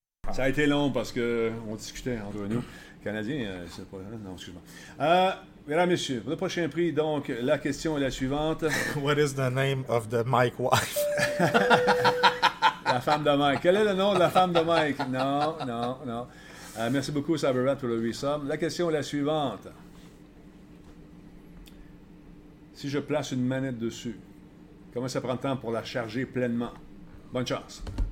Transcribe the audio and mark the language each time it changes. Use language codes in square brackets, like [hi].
[fr] Ça a été long parce qu'on discutait entre nous. Canadiens, c'est pas... Non, excuse-moi. Mesdames, messieurs, pour le prochain prix, donc, la question est la suivante. [en] What is the name of the Mike wife? [fr] La femme de Mike. Quel est le nom de la femme de Mike? Non. Merci beaucoup, CyberRat, pour le resub. La question est la suivante. Si je place une manette dessus, comment ça prend de temps pour la charger pleinement? Bonne chance.